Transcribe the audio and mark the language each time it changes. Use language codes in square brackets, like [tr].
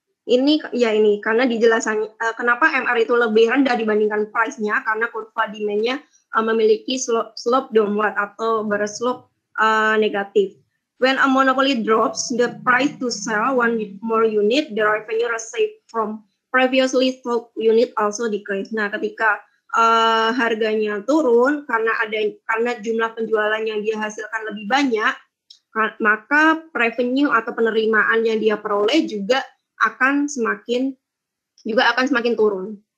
[id] Ini ya ini karena dijelasannya kenapa MR itu lebih rendah dibandingkan price-nya karena kurva demand-nya memiliki slope downward atau berslope negatif. [en] When a monopoly drops the price to sell one more unit, the revenue received from previously sold unit also decrease. [id] Nah, ketika harganya turun karena jumlah penjualan yang dia hasilkan lebih banyak, maka revenue atau penerimaan yang dia peroleh juga akan semakin turun.